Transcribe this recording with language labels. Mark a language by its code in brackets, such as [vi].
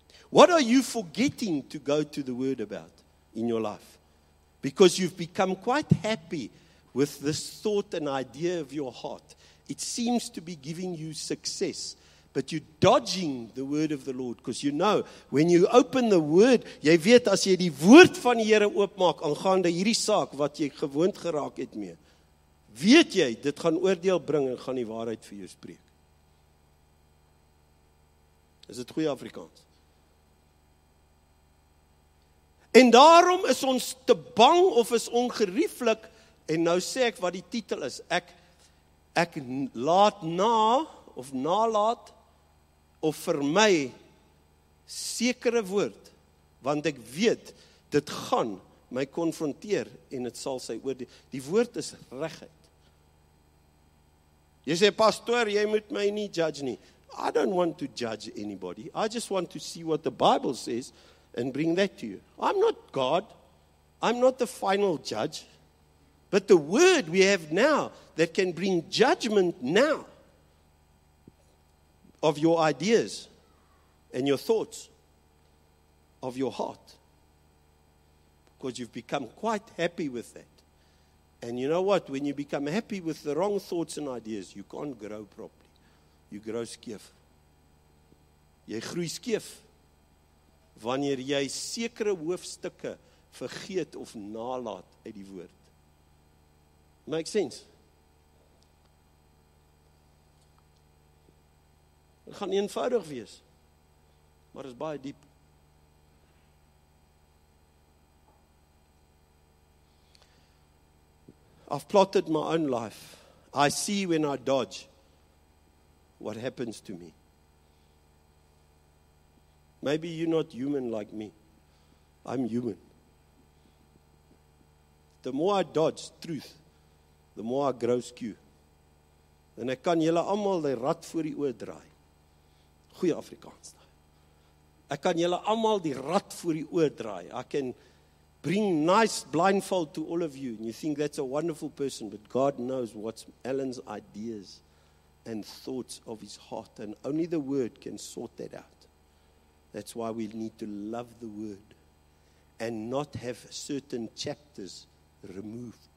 [en] What are you forgetting to go to the word about in your life? Because you've become quite happy with this thought and idea of your heart. It seems to be giving you success. But you're dodging the word of the Lord. Because you know, when you open the word, [af] jy weet as jy die woord van die Here oopmaak, aangaande hierdie saak wat jy gewoond geraak het mee, weet jy, dit gaan oordeel bring en gaan die waarheid vir jou spreek. is dit goeie Afrikaans. En daarom is ons te bang of is ongerieflik, en nou sê ek wat die titel is, ek laat na, of nalaat, of vermy, sekere woord, want ek weet, dit gaan my konfronteer, en het sal sy oordeel. Die woord is regheid. Jy sê, pastoor, jy moet my nie judge nie. [en] I don't want to judge anybody. I just want to see what the Bible says and bring that to you. I'm not God. I'm not the final judge. But the word we have now that can bring judgment now of your ideas and your thoughts, of your heart. Because you've become quite happy with that. And you know what? When you become happy with the wrong thoughts and ideas, you can't grow properly. You grow skeef. [af] Jy groei skeef wanneer jy sekere hoofstukke vergeet of nalaat uit die woord. [en] Make sense? [af] Dit gaan eenvoudig wees, maar is baie diep. [en] I've plotted my own life. I see when I dodge what happens to me. Maybe you're not human like me. I'm human. The more I dodge truth, the more I grow skew. [af] En ek kan julle allemaal die rat voor die oor draai. Goeie Afrikaans. Ek kan julle allemaal die rat voor die oor draai. [en] I can bring nice blindfold to all of you. And you think that's a wonderful person. But God knows what's Alan's ideas and thoughts of his heart. And only the word can sort that out. That's why we need to love the word and not have certain chapters removed.